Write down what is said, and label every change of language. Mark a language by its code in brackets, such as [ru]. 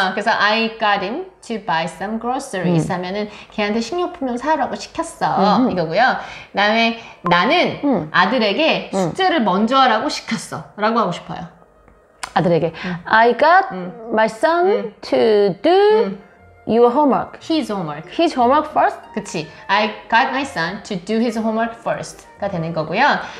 [ko] 그래서 [en] I got him to buy some groceries [ko] 하면은 걔한테 식료품을 사오라고 시켰어. 이거고요. 다음에 나는 아들에게 숙제를 먼저 하라고 시켰어. 라고 하고 싶어요. 아들에게 [en] I got my son to do your homework. His homework. His homework first. [ko] 그치. [en] I got my son to do his homework first. [ko] 가 되는 거고요.